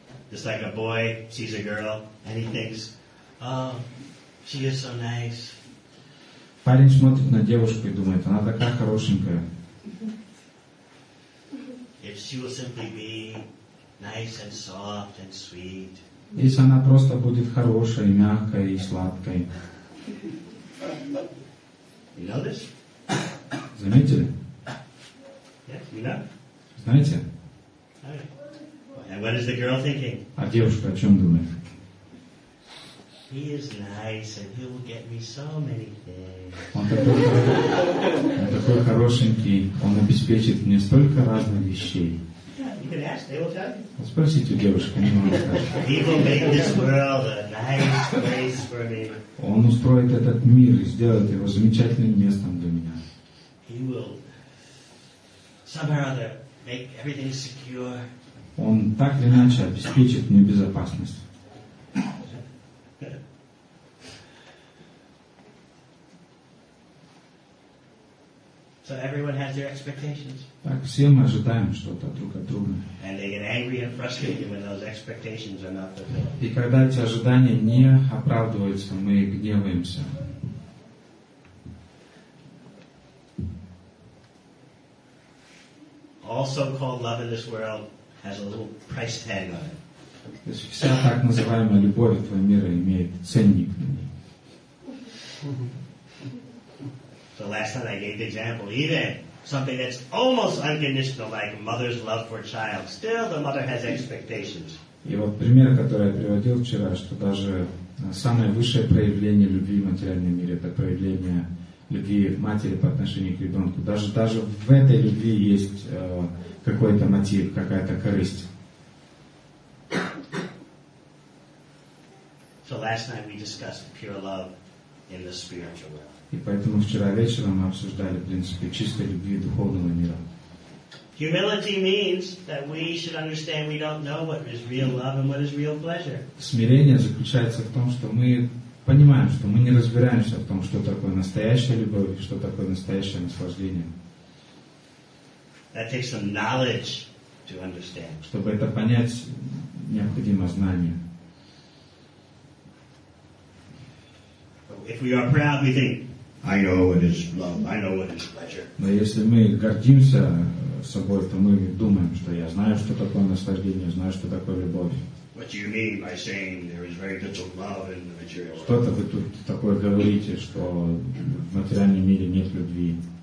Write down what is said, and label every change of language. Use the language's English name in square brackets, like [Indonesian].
[English] Just like a boy sees a girl and he thinks, oh, she is so nice. [Russian] Парень смотрит на девушку и думает, она такая хорошенькая. [English] If she will simply be nice and soft and sweet. [Russian] Если она просто будет хорошей, мягкой и сладкой. [English] You know this? [Russian] Заметили? [English] Yes, you know. [Russian] Знаете? [English] Okay. And what is the girl thinking? [Russian] А девушка о чем думает? [English] He is nice and he will get me so many things. [Russian] Он такой хорошенький, он обеспечит мне столько разных вещей. [English] You can ask, they will tell you. [Russian] Спросите девушку, не могу сказать. [English] He will make this world a nice place for me. [Russian] Он устроит этот мир и сделает его замечательным местом для меня. [English] He will somehow or other make everything secure. [Russian] Он так или иначе обеспечит мне безопасность. [English] So everyone has their expectations. [Russian] Так все мы ожидаем что-то друг от друга. [English] And they get angry and frustrated when those expectations are not fulfilled. [Russian] И когда эти ожидания не оправдываются, мы гневаемся. [English] Also called love in this world has a little price tag on it. [Russian] То есть вся так называемая любовь этого мира имеет ценник на ней. [English] So last time I gave the example, even something that's almost unconditional, like mother's love for a child, still the mother has expectations. [Russian] И вот пример, который я приводил вчера, что даже самое высшее проявление любви в материальном мире — это проявление любви матери по отношению к ребенку. Даже в этой любви есть какой-то мотив, какая-то корысть. [English] So last night we discussed pure love in the spiritual world. [Russian] И поэтому вчера вечером мы обсуждали, в принципе, чистой любви духовного мира. [English] Humility means that we should understand we don't know what is real love and what is real pleasure. [Russian] Смирение заключается в том, что мы понимаем, что мы не разбираемся в том, что такое настоящая любовь и что такое настоящее наслаждение. [English] That takes some knowledge to understand. [Russian] Чтобы это понять, необходимо знание. [English] If we are proud, we think, I know what is love, I know what is pleasure. [Russian] Но если мы гордимся собой, то мы думаем, что я знаю, что такое наслаждение, знаю, что такое любовь. Что-то вы тут такое говорите, что в материальном мире нет любви.